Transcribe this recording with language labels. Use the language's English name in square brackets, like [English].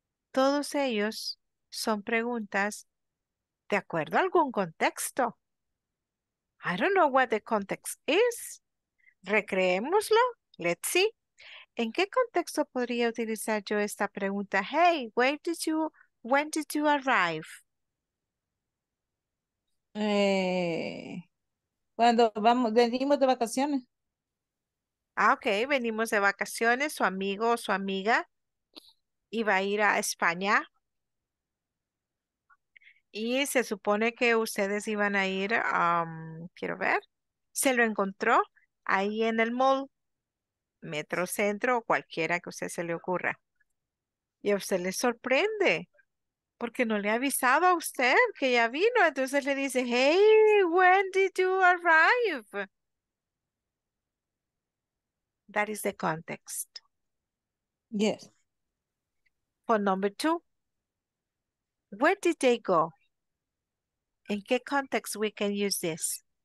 [Spanish] Todos ellos son preguntas de acuerdo a algún contexto. [English] I don't know what the context is. [Spanish] Recreémoslo. [English] Let's see. [Spanish] ¿En qué contexto podría utilizar yo esta pregunta? [English] Hey, where did you, when did you arrive? [Spanish] Cuando vamos, venimos de vacaciones. Ah, ok, venimos de vacaciones, su amigo o su amiga iba a ir a España y se supone que ustedes iban a ir, quiero ver, se lo encontró ahí en el mall, metro centro o cualquiera que a usted se le ocurra. Y a usted le sorprende. Porque no le avisaba a usted que ya vino. Entonces le dice, [English] hey, when did you arrive? That is the context. Yes. For number two, where did they go? In [Spanish] qué [English] context we can use this?